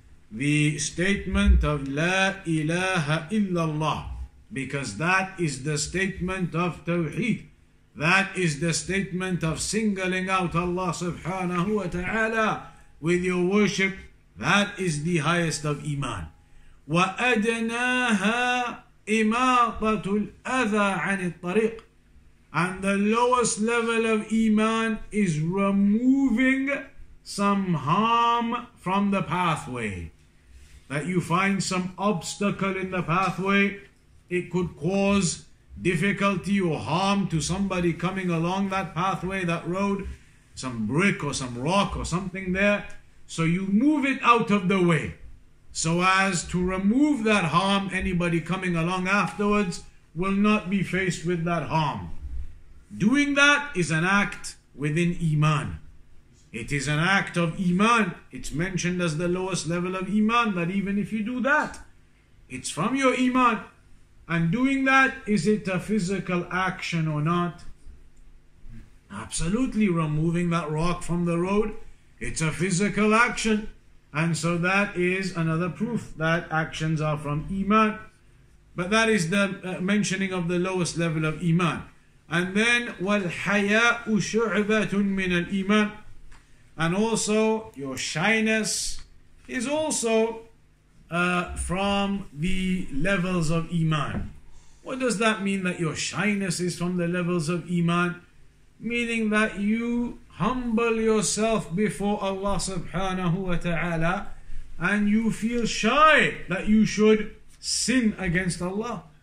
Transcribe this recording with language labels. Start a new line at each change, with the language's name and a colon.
English: The statement of La ilaha illallah, because that is the statement of Tawheed. That is the statement of singling out Allah subhanahu wa ta'ala with your worship. That is the highest of Iman.
Arabic: Wa adnaha إِمَاطَةُ الْأَذَىٰ عَنِ الطَّرِيقِ.
English: And the lowest level of Iman is removing some harm from the pathway. That you find some obstacle in the pathway, it could cause difficulty or harm to somebody coming along that pathway, that road, some brick or some rock or something there. So you move it out of the way, so as to remove that harm. Anybody coming along afterwards will not be faced with that harm. Doing that is an act within Iman. It is an act of Iman. It's mentioned as the lowest level of Iman, that even if you do that, it's from your Iman. And doing that, is it a physical action or not? Absolutely, removing that rock from the road, it's a physical action. And so that is another proof that actions are from Iman. But that is the mentioning of the lowest level of Iman. And then,
Arabic: وَالْحَيَاءُ شُعْبَةٌ مِنَ الْإِيمَانِ.
English: And also, your shyness is also from the levels of Iman. What does that mean, that your shyness is from the levels of Iman? Meaning that you humble yourself before Allah subhanahu wa ta'ala and you feel shy that you should sin against Allah.